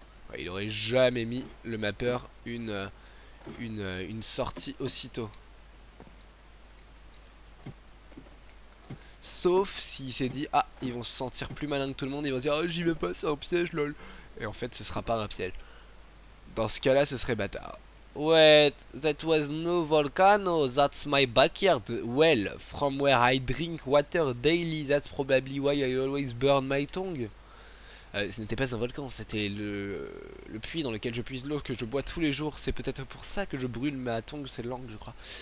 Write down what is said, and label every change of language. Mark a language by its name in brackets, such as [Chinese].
[French] Ouais, il aurait jamais mis le mappeur une sortie aussitôt. Sauf s'il s'est dit, ah, ils vont se sentir plus malins que tout le monde, ils vont se dire, oh, j'y vais pas, c'est un piège, lol. Et en fait, ce sera pas un piège. Dans ce cas-là, ce serait bâtard. [English] Wait, that was no volcano, that's my backyard. Well, from where I drink water daily, that's probably why I always burn my tongue. [French] Ce n'était pas un volcan, c'était le puits dans lequel je puise l'eau que je bois tous les jours. C'est peut-être pour ça que je brûle ma tongue, cette langue, je crois.